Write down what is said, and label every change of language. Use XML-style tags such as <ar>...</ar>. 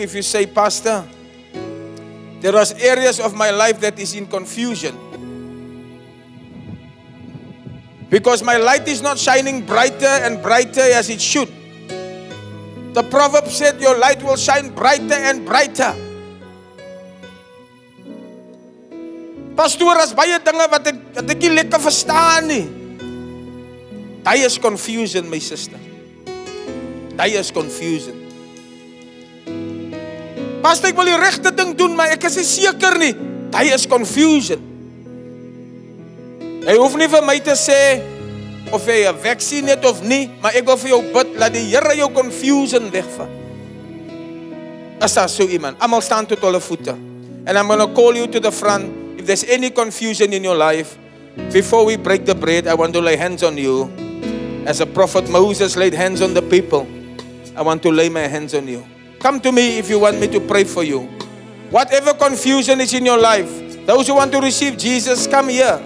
<en>If you say, Pastor, there are areas of my life that is in confusion. Because my light is not shining brighter and brighter as it should. The proverb said, your light will shine brighter and brighter.</en> <af>Pastor, as baie dinge wat ek nie lekker verstaan nie. Daai is confusion, my sister. Daai is confusion. Pastor, ek wil die regte ding doen, maar ek is nie seker nie. Daai is confusion. Jy hoef nie vir my te sê of jy 'n vaksin het of nie, maar ek wil vir jou bid, laat die Here jou confusion wegvat. As daar so iemand, almal staan tot hulle voete.</af> <en>And I'm going to call you to the front. If there's any confusion in your life, before we break the bread, I want to lay hands on you. As a prophet Moses laid hands on the people, I want to lay my hands on you. Come to me if you want me to pray for you. Whatever confusion is in your life, those who want to receive Jesus, come here.</en>